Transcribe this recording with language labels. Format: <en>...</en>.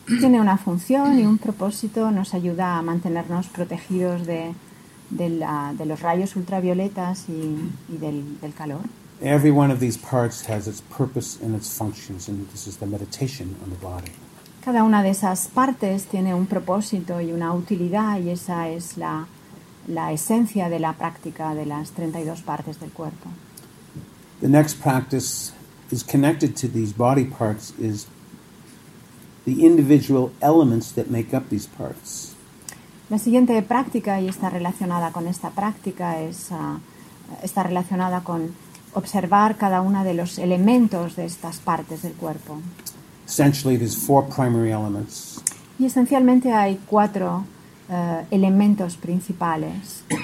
<es>Tiene una función y un propósito, nos ayuda a mantenernos protegidos de los rayos ultravioletas y del calor.</es> <en>Every one of these parts has its purpose and its functions, and this is the meditation on the body.</en> <es>Cada una de esas partes tiene un propósito y una utilidad, y esa es la esencia de la práctica de las 32 partes del cuerpo.</es> <en>The next practice is connected to these body parts is the individual elements that make up these parts.</en> <es>La siguiente práctica, y está relacionada con esta práctica, está relacionada con observar cada una de los elementos de estas partes del cuerpo.</es> <en>Essentially, there's four primary elements.</en> <es>Y esencialmente hay cuatro elementos principales.</es>